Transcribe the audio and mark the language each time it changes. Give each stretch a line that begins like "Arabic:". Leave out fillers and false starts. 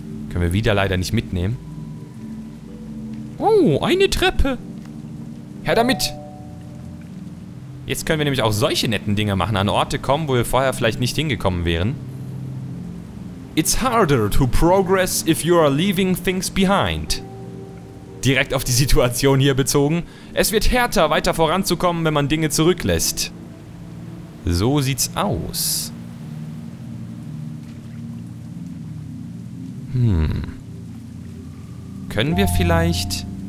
German: Können wir wieder leider nicht mitnehmen. Oh, eine Treppe. Her damit! Jetzt können wir nämlich auch solche netten Dinge machen, an Orte kommen, wo wir vorher vielleicht nicht hingekommen wären.
English: It's harder to progress if you are leaving things behind.
German: Direkt auf die Situation hier bezogen. Es wird härter, weiter voranzukommen, wenn man Dinge zurücklässt. So sieht's aus. Können wir vielleicht...